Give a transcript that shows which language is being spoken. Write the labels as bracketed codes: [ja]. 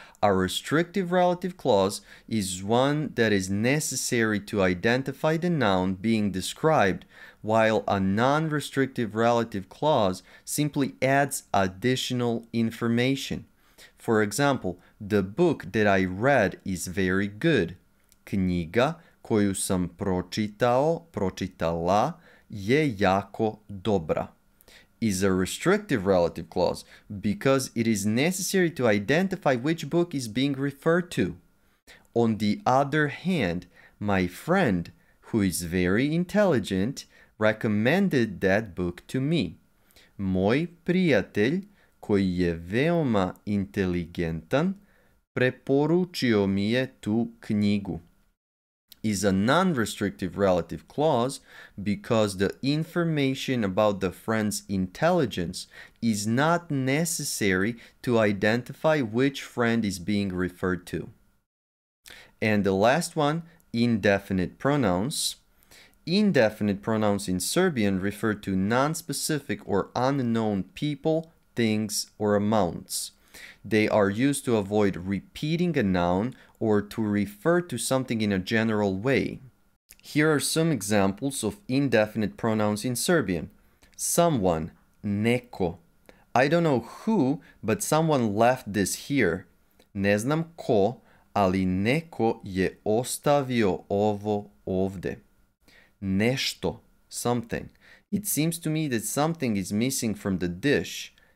[en] A restrictive relative clause is one that is necessary to identify the noun being described, while a non-restrictive relative clause simply adds additional information. For example, the book that I read is very good. [sr] Knjiga koju sam pročitao, pročitala, je jako dobra. [en] Is a restrictive relative clause because it is necessary to identify which book is being referred to. On the other hand, my friend, who is very intelligent, recommended that book to me. [sr] Moj prijatelj, koji je veoma inteligentan, preporučio mi je tu knjigu. [en] Is a non-restrictive relative clause because the information about the friend's intelligence is not necessary to identify which friend is being referred to. And the last one, indefinite pronouns. Indefinite pronouns in Serbian refer to non-specific or unknown people, things, or amounts. They are used to avoid repeating a noun or to refer to something in a general way. Here are some examples of indefinite pronouns in Serbian. Someone, neko. I don't know who, but someone left this here. [sr] Ne znam ko, ali neko je ostavio ovo ovde. Nešto, something. [en] It seems to me that something is missing from the dish.